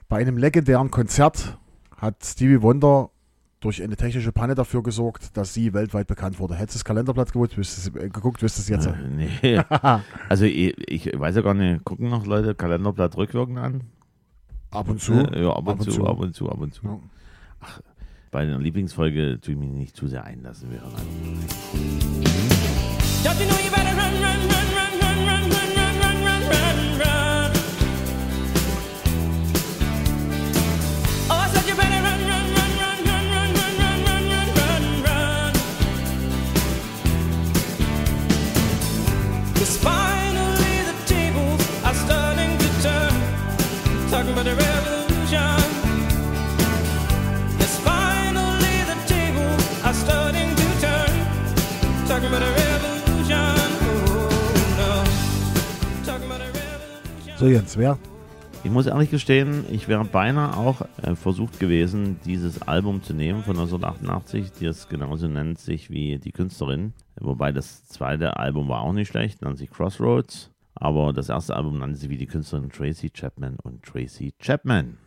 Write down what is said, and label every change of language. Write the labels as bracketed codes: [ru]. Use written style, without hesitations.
[de] Bei einem legendären Konzert hat Stevie Wonder durch eine technische Panne dafür gesorgt, dass sie weltweit bekannt wurde. Hättest du das Kalenderblatt geguckt, wirst du es jetzt. Nee. Also ich weiß ja gar nicht, gucken noch Leute Kalenderblatt rückwirkend an? Ab und zu. Ja, ab und zu. Ja. Ach, bei einer Lieblingsfolge tue ich mich nicht zu sehr einlassen. Wir hören an. [en] Don't you know you better run, run, run, run, run, run, run, run, run, run, run, run. Oh, I said you better run, run, run, run, run, run, run, run, run, run, run, run. Cause finally the tables are starting to turn. Talking about the revolution. Cause finally the tables are starting to turn. Talking about the revolution. [de] So Jens, wer Ich muss ehrlich gestehen, ich wäre beinahe auch versucht gewesen, dieses Album zu nehmen von 1988, die es genauso nennt sich wie die Künstlerin. Wobei das zweite Album war auch nicht schlecht, nannte sich Crossroads. Aber das erste Album nannte sie wie die Künstlerin Tracy Chapman und Tracy Chapman.